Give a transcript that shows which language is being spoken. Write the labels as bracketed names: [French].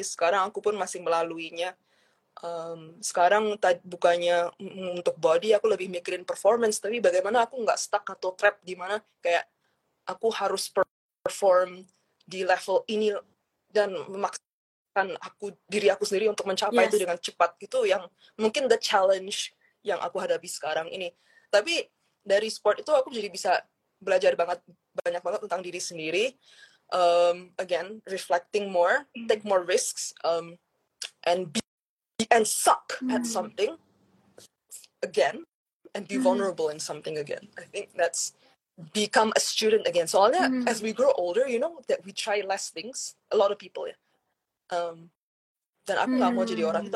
[Indonesian] Sekarang aku pun masih melaluinya. Sekarang bukannya untuk body, aku lebih mikirin performance, tapi bagaimana aku nggak stuck atau trap di mana kayak aku harus perform di level ini dan memaksakan aku diri aku sendiri untuk mencapai itu dengan cepat. Itu yang mungkin [English] the challenge [Indonesian] yang aku hadapi sekarang ini. Tapi dari sport itu aku jadi bisa belajar banget, banyak banget tentang diri sendiri. [English] Again, reflecting more, take more risks, and suck at something again, and be vulnerable in something again. I think that's become a student again. So all that, as we grow older, you know, that we try less things. A lot of people, [Indonesian] dan aku nggak mau jadi orang itu.